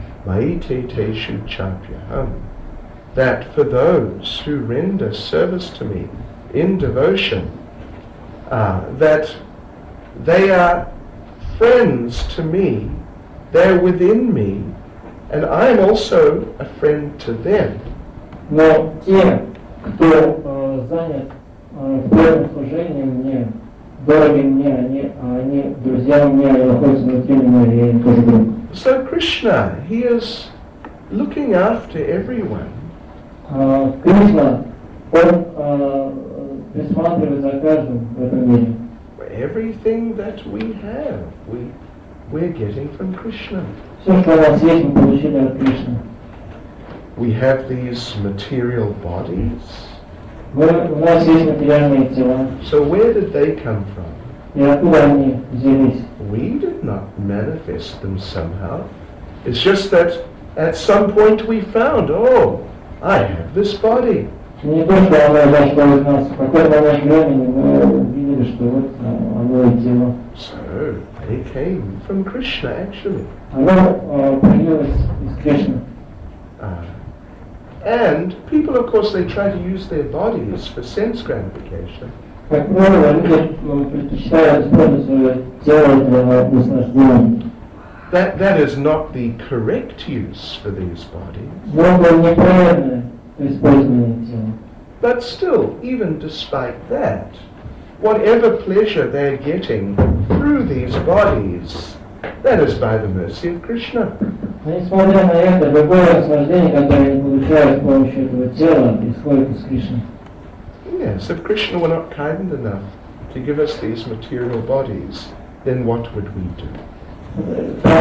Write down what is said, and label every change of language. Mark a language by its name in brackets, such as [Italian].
[Sanskrit] Maite teshu chapyaham, [English] that for those who render service to me in devotion, that they are friends to me, they're within me, and I am also a friend to them. [Russian] Но те, кто занят верным служением мне, дороги мне, они друзья мне, они находятся внутри меня, и я тоже друг. [English] So Krishna, he is looking after everyone. [Russian] Krishna, он присматривает за каждым в этом мире. [English] Everything that we have, we're getting from Krishna. [Russian] Все, что у нас есть, мы получили от Кришны. [English] We have these material bodies. [Russian] У нас есть материальные тела. [English] So where did they come from? [Russian] И откуда они взялись? [English] We did not manifest them somehow. It's just that at some point we found, oh, I have this body. [Russian] Не то, что оно зашло из нас. В какой-то момент времени мы увидели, что вот оно и тело. [English] So, they came from Krishna, actually. [Russian] Оно появилось из Кришны. [English] And people, of course, they try to use their bodies for sense gratification. [Russian] Как правило, люди предпочитают использовать свое тело для наслаждения. [English] That is not the correct use for these bodies. [Russian] Но это неправильное использование тела. [English] But still, even despite that, whatever pleasure they are getting through these bodies, that is by the mercy of Krishna. [Russian] Несмотря на это, любое наслаждение, которое они получают с помощью этого тела, исходит из Кришны. [English] Yes, if Krishna were not kind enough to give us these material bodies, then what would we do?